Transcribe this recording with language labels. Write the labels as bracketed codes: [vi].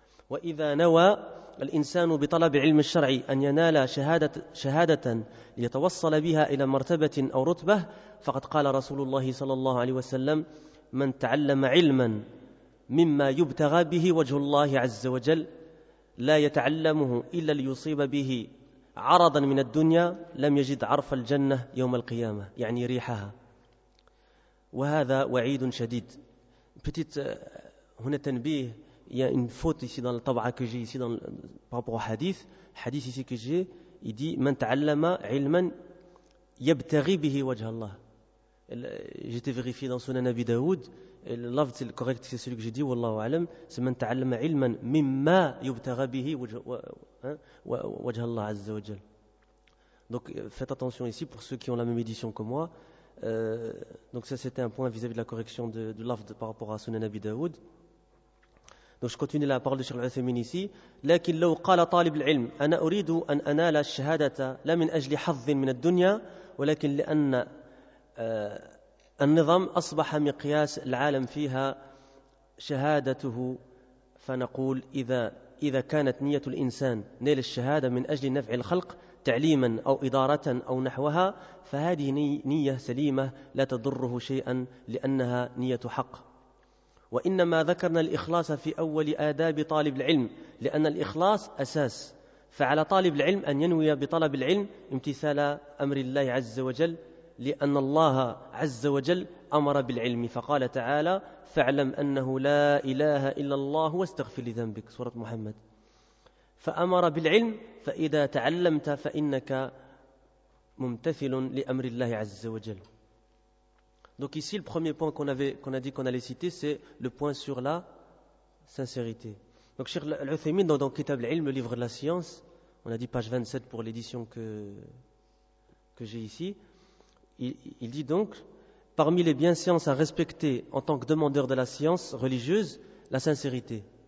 [ar] وإذا نوى الإنسان بطلب علم الشرع أن ينال شهادة ليتوصل بها إلى مرتبة أو رتبة فقد قال رسول الله صلى الله عليه وسلم من تعلم علما مما يبتغى به وجه الله عز وجل لا يتعلمه إلا ليصيب به عرضا من الدنيا لم يجد عرف الجنة يوم القيامة يعني ريحها وهذا وعيد شديد. [fr] Petite [ar] هنا تنبيه. [fr] Il y a une faute ici dans la tabaa que j'ai ici par rapport au hadith. Hadith ici que j'ai, il dit [ar] من تعلم علما يبتغي به وجه الله. [fr] J'ai été vérifié dans Sunan Abi Daoud. L'avd c'est le correct, c'est celui que j'ai dit. [ar] والله أعلم. [fr] C'est [ar] من تعلم علما مما يبتغي به وجه الله عز وجل. [fr] Donc faites attention ici pour ceux qui ont la même édition que moi. Donc ça c'était un point vis-à-vis de la correction de l'afd par rapport à Sunan Abi Daoud. Donc je continue la parole de Cheikh Al-Uthaymeen ici. [ar] لكن لو قال طالب العلم أنا أريد أن أنال الشهادة لا من أجل حظ من الدنيا ولكن لأن النظام أصبح مقياس العالم فيها شهادته فنقول إذا كانت نية الإنسان نيل الشهادة من أجل نفع الخلق تعليما أو إدارة أو نحوها فهذه نية سليمة لا تضره شيئا لأنها نية حق وإنما ذكرنا الإخلاص في أول آداب طالب العلم لأن الإخلاص أساس فعلى طالب العلم أن ينوي بطلب العلم امتثال أمر الله عز وجل لأن الله عز وجل أمر بالعلم فقال تعالى فاعلم أنه لا إله إلا الله واستغفر لذنبك سورة محمد فأمر بالعلم فإذا تعلمت فإنك ممتثل لأمر الله عز وجل. [fr] Donc ici le premier point qu'on a dit qu'on allait citer c'est le point sur la sincérité. Donc Cheikh Al-Uthaymeen dans Kitab al-Ilm, le livre de la science, on a dit page 27 pour l'édition que j'ai ici, il dit donc parmi les bienséances à respecter en tant que demandeur de la science religieuse, la sincérité.